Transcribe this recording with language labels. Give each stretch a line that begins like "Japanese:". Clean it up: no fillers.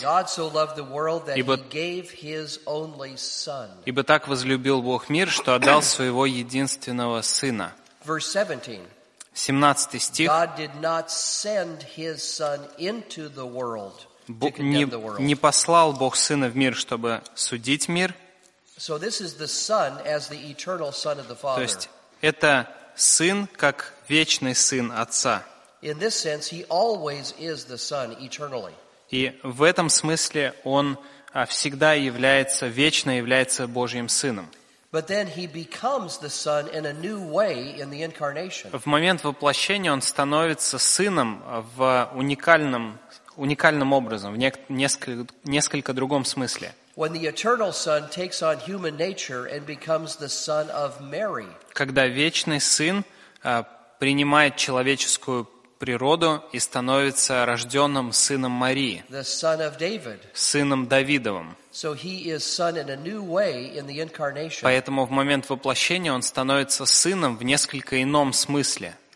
English: God so loved the world that he gave his only son.
Russian: Ибо так возлюбил Бог мир, что отдал своего единственного сына.
English: Verse 17.
Russian: 17 стих.
English: God did not send his son into the world.
Russian: Бог не послал Бог сына в мир, чтобы судить мир.
English: So this is the son as the eternal son of the father.
Russian: То есть это сын как вечный сын отца.
English: In this sense, he always is the son eternally.
Russian: И в этом смысле он всегда является вечно является Божьим сыном.
English: But then he becomes the son in a new way in the incarnation.
Russian: В момент воплощения он становится сыном в уникальным образом, в несколько другом смысле.
English: When the eternal son takes on human nature and becomes the son of Mary.
Russian: Когда вечный сын принимает человеческую природу и становится рожденным сыном Марии.
English: The son of David.
Russian: Сыном Давидовым.
English: So he is son in a new way in the incarnation.
Russian: Поэтому в момент воплощения он становится сыном в несколько ином смысле.